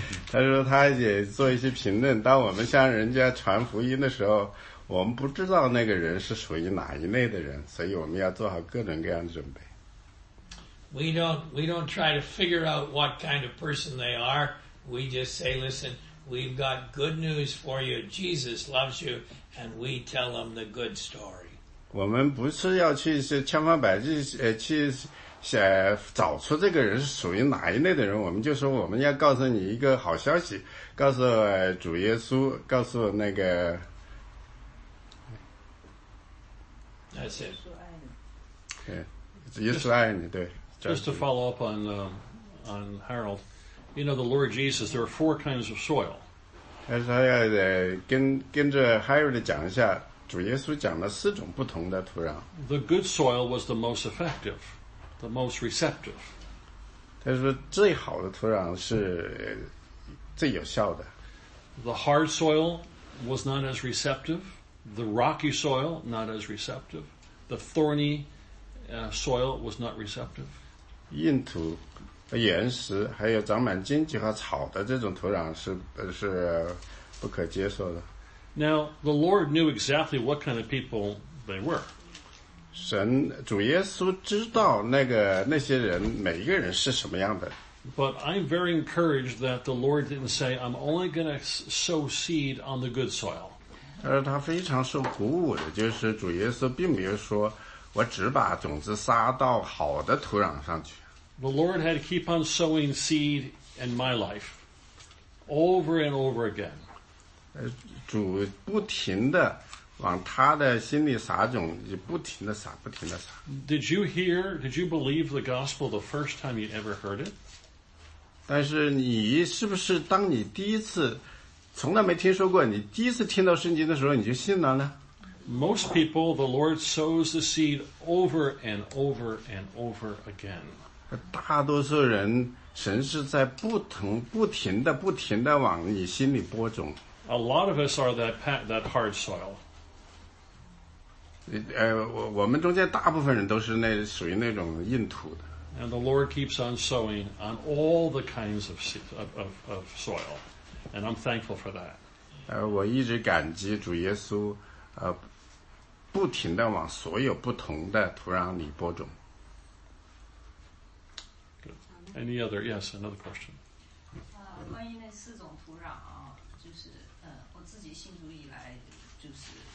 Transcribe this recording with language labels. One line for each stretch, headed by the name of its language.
Chinese: 他说他也做一些评论，当我们向人家传福音的时候，我们不知道那个人是属于哪一类的人，所以我们要做好各种各样的准备。
English: We don't try to figure out what kind of person they are. We just say, listen, we've got good news for you. Jesus loves you, and we tell them the good story.
Chinese: 我们不是要去千方百计去找出这个人是属于哪一类的人，我们就说我们要告诉你一个好消息，告诉主耶稣，告诉那个。
English: That's it.
Chinese: Yeah, 耶稣爱你，对。
English: Just to follow up on Harold, you know the Lord Jesus, there are four kinds of soil.
Chinese: 他说要跟着 Harold 讲一下，主耶稣讲了四种不同的土壤。
English: The good soil was the most effective. The most receptive.
Chinese: 他说最好的土壤是最有效的。
English: The hard soil was not as receptive. The rocky soil, not as receptive. The thorny soil was not receptive.
Chinese: 硬土、岩石还有长满荆棘和草的这种土壤是不可接受的。
English: Now, the Lord knew exactly what kind of people they were.
Chinese: 神主耶稣知道那些人每一个人是什么样的。
English: But I'm very encouraged that the Lord didn't say, I'm only going to sow seed on the good soil.
Chinese: 而他非常受鼓舞的就是主耶稣并没有说我只把种子撒到好的土壤上去。
English: The Lord had to keep on sowing seed in my life over and over again.
Chinese: 主不停地往他的心里撒种，不停地撒，不停地撒。
English: Did you hear, did you believe the gospel the first time you ever heard it?
Chinese: 但是你是不是当你第一次从来没听说过，你第一次听到圣经的时候你就信了呢？
English: Most people, the Lord sows the seed over and over and over again.
Chinese: 大多数人，神是在不停地往你心里播种。
English: A lot of us are that hard soil.
Chinese: 我们中间大部分人都是属于那种硬土的。
English: And the Lord keeps on sowing on all the kinds of soil, and I'm thankful for that.
Chinese: 我一直感激主耶稣，不停地往所有不同的土壤里播种。
English: Good. Any other? Yes, another question.
Chinese: 关于那四种土壤啊，就是我自己信主以来就是。